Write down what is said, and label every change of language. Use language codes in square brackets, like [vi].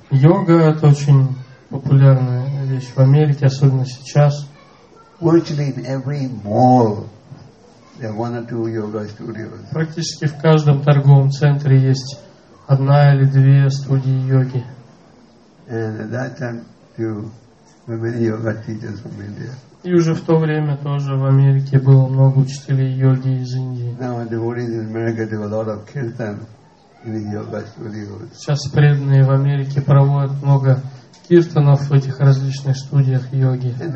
[ru] Йога это очень популярная вещь в Америке, особенно сейчас. [en] Virtually in every mall there are one or two yoga studios. [ru] Практически в каждом торговом центре есть одна или две студии йоги. [en] And at that time too, many yoga teachers from India. [ru] И уже в то время тоже в Америке было много учителей йоги из Индии. [en] Now, devotees in America do a lot of kirtan in yoga studios. [ru] Сейчас преданные в Америке проводят много киртанов в этих различных студиях йоги.